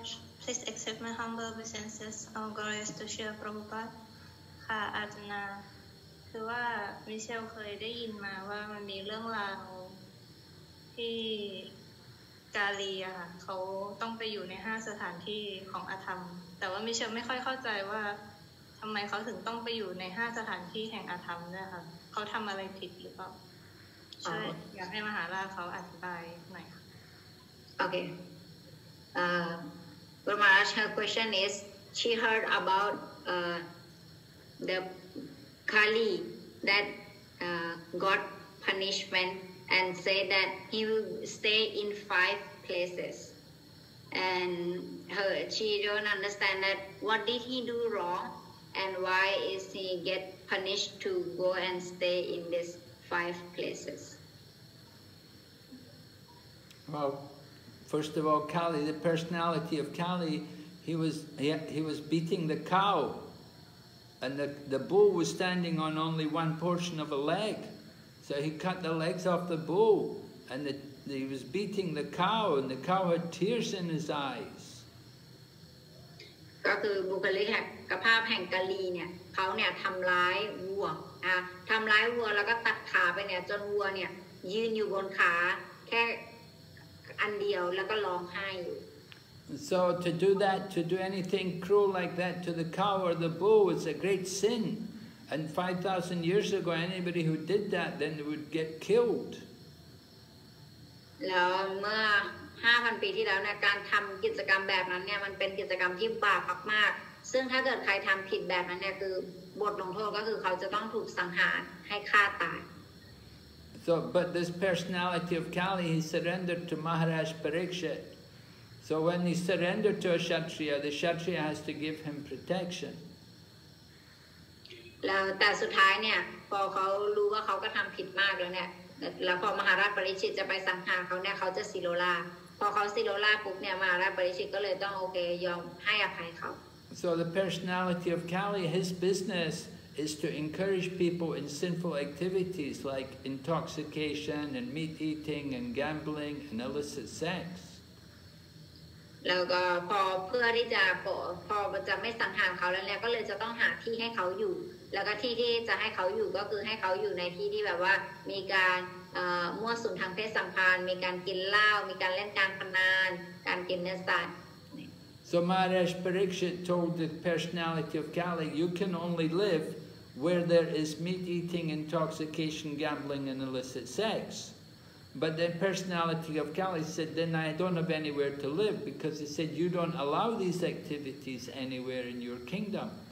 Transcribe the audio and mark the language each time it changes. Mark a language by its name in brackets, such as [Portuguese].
[Thai] ช [English] please accept my humble obeisances our glorious to Srila Prabhupada [Thai] ค่ะอาจารย์นะคือว่าไม่ใช่เคยได้ยินมาว่ามันมีเรื่องราวที่กาลีอะค่ะเขาต้องไปอยู่ใน5สถานที่ของอธรรมแต่ว่าไม่เชื่อไม่ค่อยเข้าใจว่าทำไมเขาถึงต้องไปอยู่ใน5สถานที่แห่งอธรรมเนี่ยค่ะเขาทำอะไรผิดหรือเปล่าอยากให้มหาราชเขาอธิบายหน่อย [English] โอเคกุรุมหาราช her question is she heard aboutThe Kali that got punishment and said that he will stay in 5 places. And she don't understand that what did he do wrong and why is he get punished to go and stay in these 5 places. Well, first of all, Kali, the personality of Kali, he was beating the cow. And the bull was standing on only one portion of a leg. So he cut the legs off the bull and he was beating the cow and the cow had tears in his eyes. [Thai] ก็คือบุคลิกภาพแห่งกาลีเนี่ยเขาเนี่ยทำร้ายวัวทำร้ายวัวแล้วก็ตัดขาไปเนี่ยจนวัวเนี่ยยืนอยู่บนขาแค่อันเดียวแล้วก็ร้องไห้ [English] So to do that, to do anything cruel like that to the cow or the bull is a great sin. And 5,000 years ago, anybody who did that, then they would get killed. [Thai] แล้วเมื่อ 5,000 ปีที่แล้วนะการทำกิจกรรมแบบนั้นเนี่ยมันเป็นกิจกรรมที่บาปมากๆซึ่งถ้าเกิดใครทำผิดแบบนั้นเนี่ยคือบทลงโทษก็คือเขาจะต้องถูกสังหารให้ฆ่าตาย [English] So, but this personality of Kali, he surrendered to Maharaj Parikshit. So when he surrendered to a Kshatriya, the Kshatriya has to give him protection. But at the end, when he knew that he was wrong, and when Maharaj Parikshit was going to kill him, he was going to Sirola. When he was Sirola, Maharaj Parikshit was going to okay to give him a chance. So the personality of Kali, his business is to encourage people in sinful activities like intoxication and meat eating and gambling and illicit sex. [Thai] แล้วก็พอเพื่อที่จะพอจะไม่สังหารเขาแล้วเนี่ยก็เลยจะต้องหาที่ให้เขาอยู่แล้วก็ที่ที่จะให้เขาอยู่ก็คือให้เขาอยู่ในที่ที่แบบว่ามีการมั่วสุมทางเพศสัมพันธ์มีการกินเหล้ามีการเล่นการพนันการกินเนื้อสัตว์ [English] So Maharaj Parikshit told the personality of Kali, you can only live where there is meat eating, intoxication, gambling, and illicit sex. But the personality of Kali said, then I don't have anywhere to live because he said, you don't allow these activities anywhere in your kingdom.